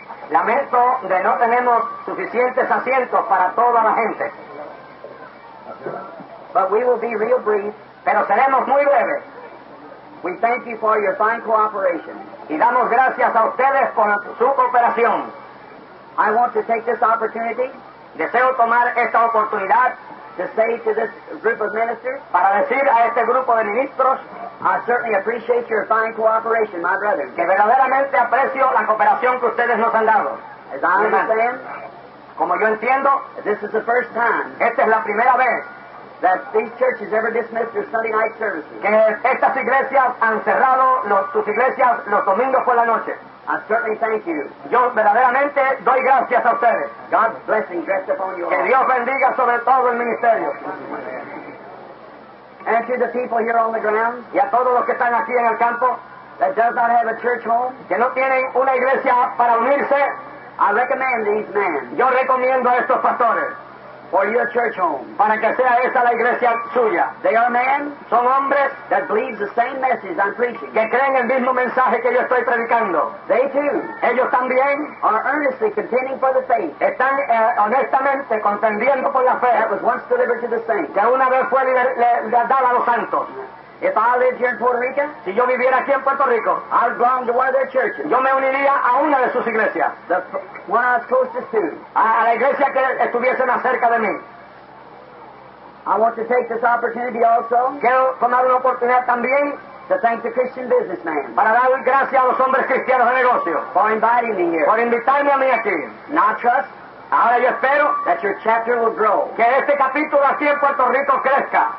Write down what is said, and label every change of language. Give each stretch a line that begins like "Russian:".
Spanish: Lamento de no tenemos suficientes asientos para toda la gente.
English: But we will be real brief,
Spanish: pero seremos muy breves.
English: We thank you for your fine cooperation.
Spanish: Y damos gracias a ustedes por su cooperación.
English: I want to take this opportunity,
Spanish: deseo tomar esta oportunidad,
English: to say to this group of ministers,
Spanish: para decir a este grupo de ministros,
English: I certainly appreciate your fine cooperation, my brother.
Spanish: Que verdaderamente aprecio la cooperación que ustedes nos han dado.
English: As I understand,
Spanish: como yo entiendo,
English: this is the first time.
Spanish: Esta es la primera vez.
English: That these churches ever dismissed their Sunday night services.
Spanish: Que estas iglesias han cerrado sus iglesias los domingos por la noche.
English: I certainly thank you.
Spanish: Yo verdaderamente doy gracias a ustedes.
English: God's blessing rest upon you all.
Spanish: Que Dios bendiga sobre todo el ministerio.
English: And to the people here on the ground.
Spanish: Y a todos los que están aquí en el campo.
English: That does not have a church home.
Spanish: Que no tienen una iglesia para unirse.
English: I recommend these men.
Spanish: Yo recomiendo a estos pastores.
English: For your church home.
Spanish: Para que sea esa la iglesia suya.
English: They are men.
Spanish: Son hombres.
English: That believe the same message I'm preaching.
Spanish: Que creen el mismo mensaje que yo estoy predicando.
English: They too.
Spanish: Ellos también.
English: Are earnestly contending for the faith.
Spanish: Están honestamente contendiendo por la fe.
English: That was once delivered to the saints.
Spanish: Que una vez fue dada a los santos.
English: If I lived here in Puerto Rico,
Spanish: si yo viviera aquí en Puerto Rico,
English: I'd belong to one of their churches.
Spanish: Yo me uniría a una de sus iglesias.
English: The one I was closest to.
Spanish: A la iglesia que estuviese más cerca de mí.
English: I want to take this opportunity also.
Spanish: Quiero tomar una oportunidad también.
English: To thank the Christian businessman.
Spanish: Para dar gracias a los hombres cristianos de negocio.
English: For inviting me here.
Spanish: Por invitarme a mí aquí.
English: Now trust.
Spanish: Ahora yo espero
English: that your chapter will grow.
Spanish: Que este capítulo aquí en Puerto Rico crezca.